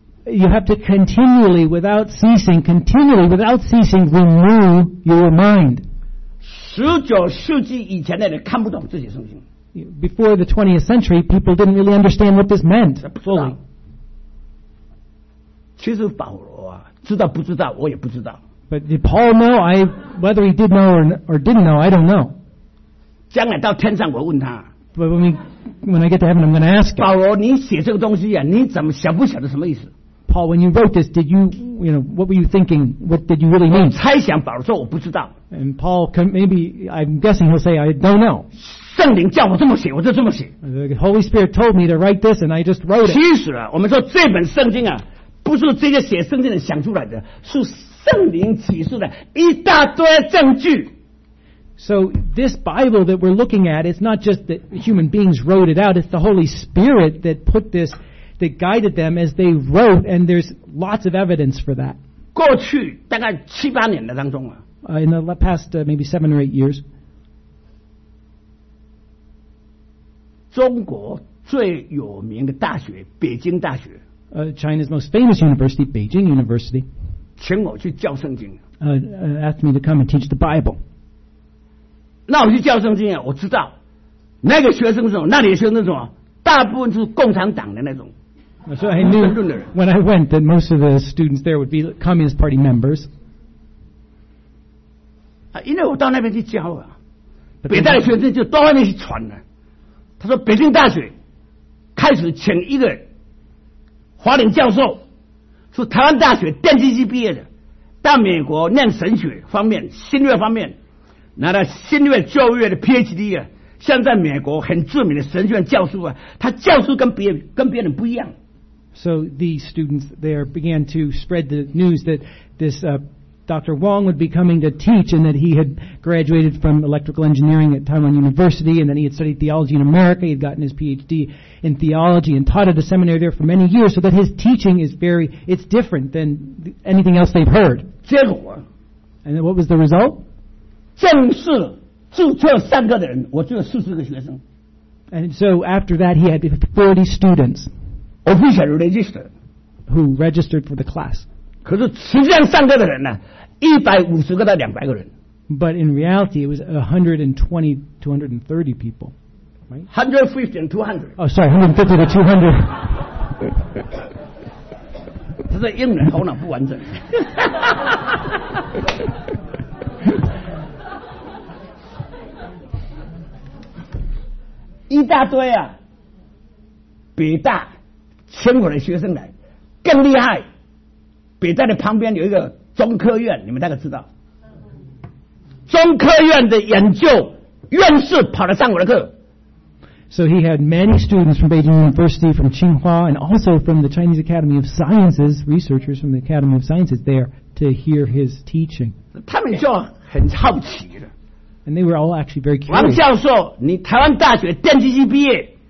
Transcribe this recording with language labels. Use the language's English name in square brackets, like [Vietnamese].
[English] You have to continually, without ceasing, renew your mind. [Chinese] 19世纪以前的人看不懂这些圣经。 [English] Before the 20th century, people didn't really understand what this meant fully. [Chinese] 其实保罗啊,知道不知道,我也不知道。 [English] But did Paul know? Whether he did know or didn't know, I don't know. [Chinese] 将来到天上我问他, [English] but when I get to heaven, I'm going to ask him. [Chinese] 保罗,你写这个东西啊, 你怎么晓不晓得什么意思? [English] Paul, when you wrote this, did you know, what were you thinking? What did you really mean? [Chinese] 猜想保罗说我不知道。 [English] And Paul, maybe, I'm guessing he'll say, I don't know. [Chinese] 圣灵叫我这么写,我就这么写。 [English] The Holy Spirit told me to write this, and I just wrote it. [Chinese] 其实啊,我们说这本圣经啊, 不是这些写圣经的想出来的, 是圣灵启示的一大堆证据。 [English] So this Bible that we're looking at, it's not just that human beings wrote it out, it's the Holy Spirit that put this, that guided them as they wrote, and there's lots of evidence for that. [Chinese] 过去大概七八年的当中啊, [English] in the past maybe 7 or 8 years, [Chinese] 中国最有名的大学, 北京大学, [English] China's most famous university, Beijing University, [Chinese] 请我去教圣经, [English] asked me to come and teach the Bible. [Chinese] 那我去教圣经，我知道那个学生是什么，那里的学生是什么，大部分是共产党的那种。 [English] So I knew when I went that most of the students there would be Communist Party members. [Chinese] 因为我到那边去教啊，北大的学生就到外面去传了。他说北京大学开始请一个华人教授，是台湾大学电机系毕业的，到美国念神学方面、心理方面，拿了心理教育的 PhD 啊，像在美国很著名的神学院教授啊，他教授跟别人不一样。 [English] So the students there began to spread the news that this Dr. Wong would be coming to teach, and that he had graduated from electrical engineering at Taiwan University, and then he had studied theology in America. He had gotten his PhD in theology and taught at a seminary there for many years, so that his teaching is it's different than anything else they've heard. [Chinese] 结果, [English] and what was the result? [Chinese] 正式注册三个的人，我只有四十个学生。 [English] And so after that, he had 40 students. Official register. Who registered for the class. [Chinese] 可是实际上上课的人呢，150-200个人。 [English] But in reality, it was 120-230 people, right? 150 and 200. Oh, sorry, 150 to 200. [Chinese] 他说英文头脑不完整。一大堆啊，北大、清华的学生来，更厉害。北大的旁边有一个中科院，你们大概知道。中科院的研究院士跑来上我的课。 [English] So he had many students from Beijing University, from Tsinghua, and also from the Chinese Academy of Sciences, researchers from the Academy of Sciences there to hear his teaching. [Chinese] 他们就很好奇的。 [English] And they were all actually very curious. [Chinese] 王教授，你台湾大学电机系毕业。